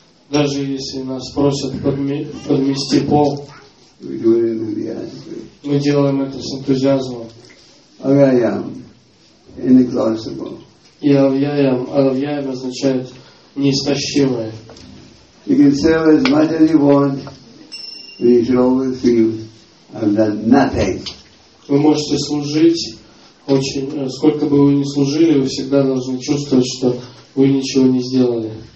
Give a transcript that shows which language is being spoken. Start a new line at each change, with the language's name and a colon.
Russian: Даже если нас просят подмести пол, мы делаем это с энтузиазмом.
English: Авьяям, inexhaustible.
Russian: И авьяям, авьяям означает неистощимое.
English: You can serve as much as you want, but you should always feel I've done nothing.
Russian: Вы можете служить очень, сколько бы вы ни служили, вы всегда должны чувствовать, что вы ничего не сделали.